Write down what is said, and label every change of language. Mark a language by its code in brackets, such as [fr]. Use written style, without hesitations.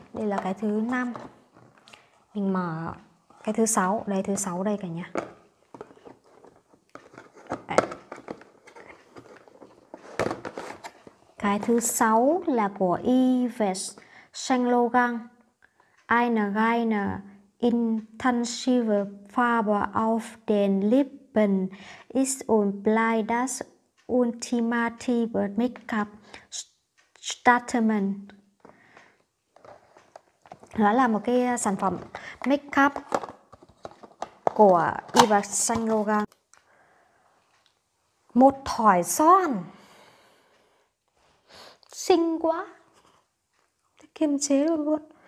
[vi] Đây là cái thứ 5. Mình mở cái thứ 6. Đây, thứ 6 đây cả nhà. Cái thứ 6 là của Yves Saint Laurent. [de] Eine reine intensive Farbe auf den Lippen ist und bleibt das ultimative Make-up Statement. [vi] Nó là một cái sản phẩm make-up của Yves Saint Laurent. Một thỏi son. Xinh quá. Kiềm chế luôn.